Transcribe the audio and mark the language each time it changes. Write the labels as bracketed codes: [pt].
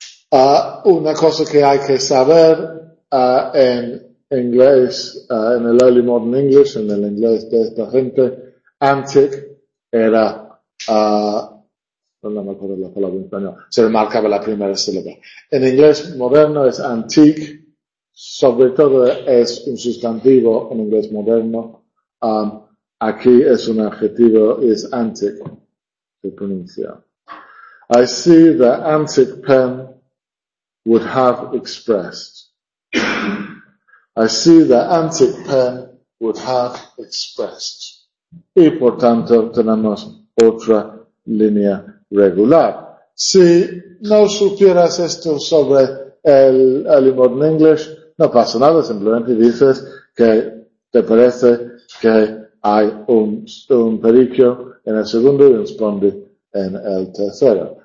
[es] Una cosa que hay que saber en inglés, en el early modern English, en el inglés de esta gente, antic era, no me acuerdo la palabra en español, se remarcaba la primera sílaba. En inglés moderno es antique, sobre todo es un sustantivo en inglés moderno. Aquí es un adjetivo y es antic, se pronuncia. [en] I see the antic pen would have expressed. I see the antique pen would have expressed. [es] Y por tanto tenemos otra línea regular. Si no supieras esto sobre el modern English, no pasa nada, simplemente dices que te parece que hay un periquio en el segundo y un spondi en el tercero.